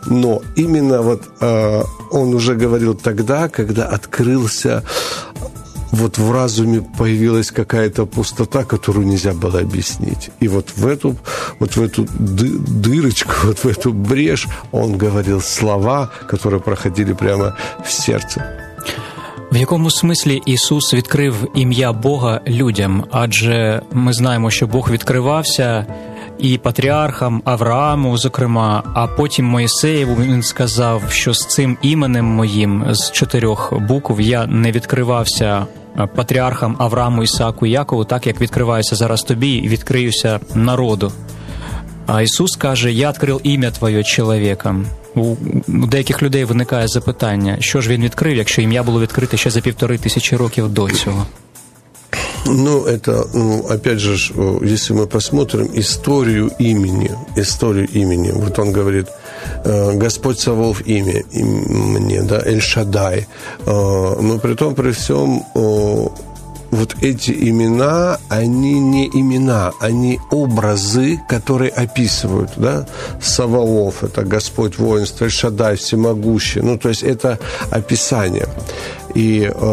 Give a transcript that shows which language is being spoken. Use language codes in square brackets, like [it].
[ru] Но именно вот он уже говорил тогда, когда открылся, вот в разуме появилась какая-то пустота, которую нельзя было объяснить. И вот в эту дырочку, вот в эту брешь он говорил слова, которые проходили прямо в сердце. [uk] В якому смислі Ісус відкрив ім'я Бога людям? Адже ми знаємо, що Бог відкривався і патріархам, Аврааму, зокрема, а потім Мойсеєву він сказав, що з цим іменем моїм, з чотирьох букв, я не відкривався патріархам Аврааму, Ісааку, Якову, так, як відкриваюся зараз тобі і відкриюся народу. А Ісус каже, я відкрив ім'я твоє чоловікам. У деяких людей виникає запитання, що ж він відкрив, якщо ім'я було відкрите ще за 1500 років до цього? [ru] Ну, это, ну, опять же, если мы посмотрим историю имени, вот он говорит, Господь Савов имя мне, да, Эль-Шадай, но при том, при всем, вот эти имена, они не имена, они образы, которые описывают, да, Саваоф, это Господь воинств, Эль-Шадай, всемогущий, ну, то есть это описание, и